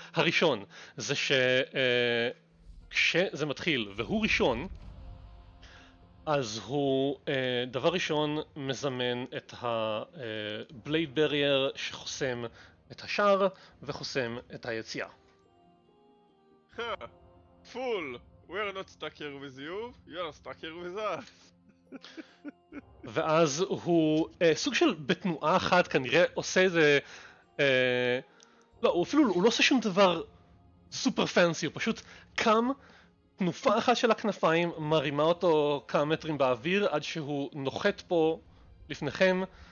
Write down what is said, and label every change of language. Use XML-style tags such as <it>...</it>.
<he>הראשון זה שכשזה מתחיל והוא ראשון, אז הוא דבר ראשון מזמן את הבלייד ברייר שחוסם את השער וחוסם את היציאה.</he> <en>פול, we are not stuck here with you, you are stuck here with us.</en> <he>ואז הוא סוג של בתנועה אחת כנראה עושה איזה... לא, הוא אפילו הוא לא עושה שום דבר סופר פנסי, הוא פשוט קם... תנופה אחת של הכנפיים מרימה אותו כמה מטרים באוויר עד שהוא נוחת פה לפניכם</he>